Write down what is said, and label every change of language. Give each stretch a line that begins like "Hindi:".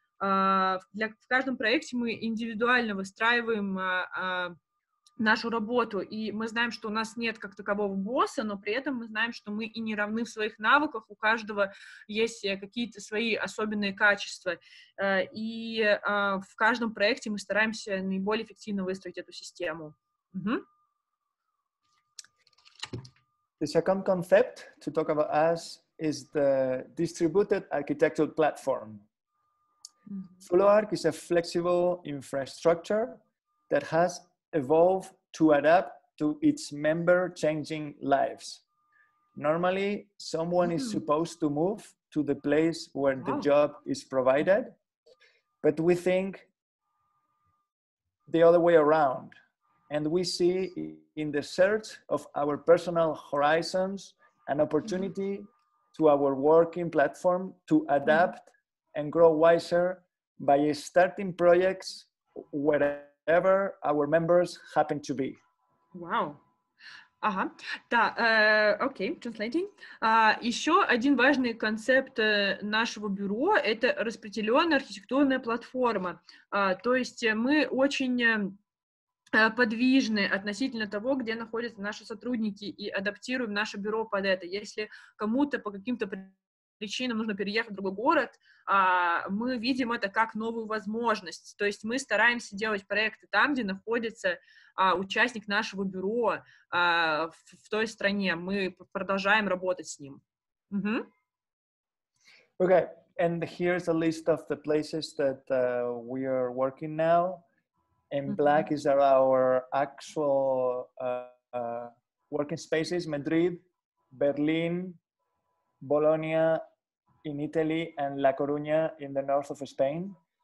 Russian: В каждом проекте мы индивидуально выстраиваем нашу работу, и мы знаем, что у нас нет как такового босса, но при этом мы знаем, что мы и не равны в своих навыках, у каждого есть какие-то свои особенные качества. И в каждом проекте мы стараемся наиболее эффективно выстроить эту систему.
English: The second concept to talk about us is the distributed architectural platform. Zuloark is a flexible infrastructure that has evolved to adapt to its member changing lives. Normally, someone is supposed to move to the place where the job is provided, but we think the other way around. And we see in the search of our personal horizons an opportunity to our working platform to adapt and grow wiser by starting projects wherever our members happen to be. Wow.
Russian: Ага, да, окей,
English: translating.
Russian: Еще один важный концепт нашего бюро — это распределенная архитектурная платформа. То есть мы очень подвижны относительно того, где находятся наши сотрудники, и адаптируем наше бюро под это. Если кому-то по каким-то причинам нужно переехать в другой город, мы видим это как новую возможность. То есть мы стараемся делать проекты там, где находится участник нашего бюро в той стране. Мы продолжаем работать с ним.
English: Okay, and here's a list of the places that we are working now. In black is our actual working spaces, Madrid, Berlin, Bologna in Italy, and La-Corunya in the north of Spain.